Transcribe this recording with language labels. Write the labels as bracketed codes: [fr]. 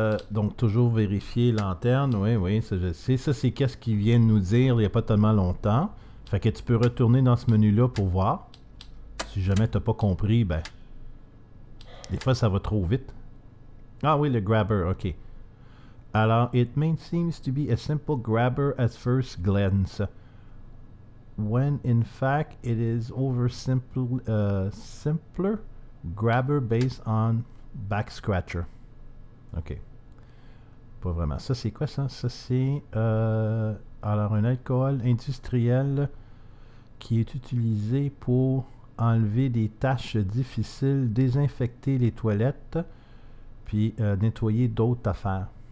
[fr] Donc, toujours vérifier lanterne. Oui, oui, ça je sais. Ça, c'est qu'est-ce qu'il vient de nous dire il n'y a pas tellement longtemps. Fait que tu peux retourner dans ce menu-là pour voir. Si jamais tu n'as pas compris, ben. Des fois, ça va trop vite. Ah oui, le grabber, ok. [en] Alors, it may seem to be a simple grabber at first glance. When in fact, it is over simple, simpler grabber based on back scratcher. [fr] Ok. Pas vraiment. Ça, c'est quoi ça? Ça, c'est. Alors, un alcool industriel qui est utilisé pour enlever des tâches difficiles, désinfecter les toilettes, puis nettoyer d'autres affaires.